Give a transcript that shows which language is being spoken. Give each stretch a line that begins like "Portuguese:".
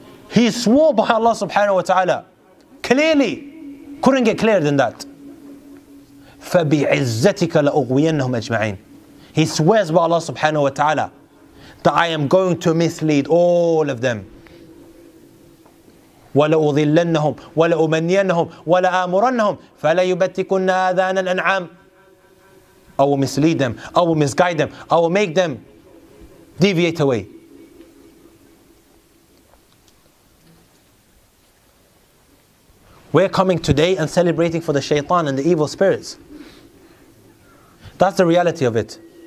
English: He swore by Allah subhanahu wa ta'ala. Clearly. Couldn't get clearer than that.
Arabic: فَبِعِزَّتِكَ لَأُغْوِيَنَّهُمْ أَجْمَعِينَ.
English: He swears by Allah subhanahu wa ta'ala that I am going to mislead all of them.
Arabic: وَلَأُضِلَّنَّهُمْ وَلَأُمَنِّيَنَّهُمْ وَلَآمُرَنَّهُمْ فَلَيُبَتِّكُنَّ آذَانَ الْأَنْعَامِ.
English: I will mislead them. I will misguide them. I will make them deviate away. We're coming today and celebrating for the shaitan and the evil spirits. That's the reality of it.